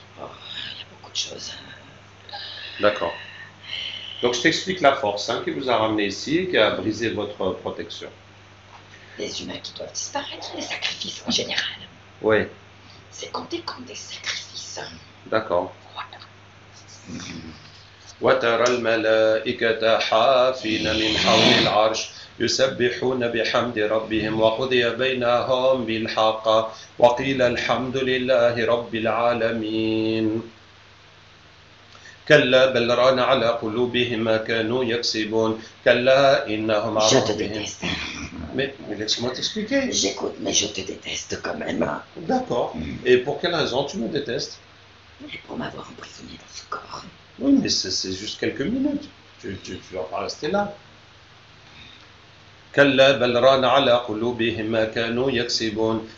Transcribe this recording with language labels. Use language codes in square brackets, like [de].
[fr] Il y a beaucoup de choses. D'accord. Donc je t'explique la force hein, qui vous a ramené ici et qui a brisé votre protection. Les humains qui doivent disparaître, les sacrifices en général. Oui. C'est compté comme des sacrifices. D'accord. Voilà. [ar] وترى الملائكة حافين من حول العرش يسبحون بحمد ربهم وقضي بينهم بالحق وقيل الحمد لله رب العالمين كلا بل ران على قلوبهم ما كانوا يكسبون كلا إنهم عن ربهم [fr] Mais laisse-moi t'expliquer. J'écoute, mais je te déteste quand même. D'accord. Et pour quelle raison tu me détestes? Et pour m'avoir emprisonné dans ce corps. Oui, mais c'est juste quelques minutes. Tu vas pas rester là. [ar] Kalla bal ran ala qulubihim ma kanu yaksibun.